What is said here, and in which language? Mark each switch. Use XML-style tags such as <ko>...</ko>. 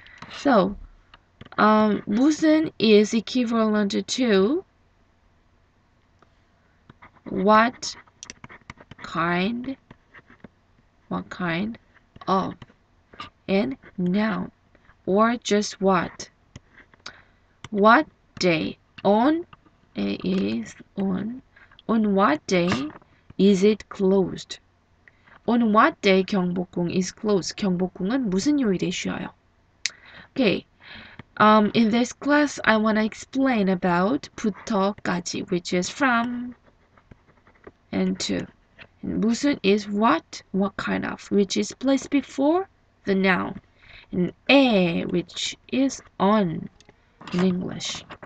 <en>So, 무슨 is equivalent to what kind of a noun or just what? What day on is on what day is it closed? On what day 경복궁 is closed?</en> <ko>경복궁은 무슨 요일에 쉬어요?</ko> <en>Okay. In this class I want to explain about 부터까지, which is from and to. 무슨 is what kind of, which is placed before the noun, and a, which is on in English.</en>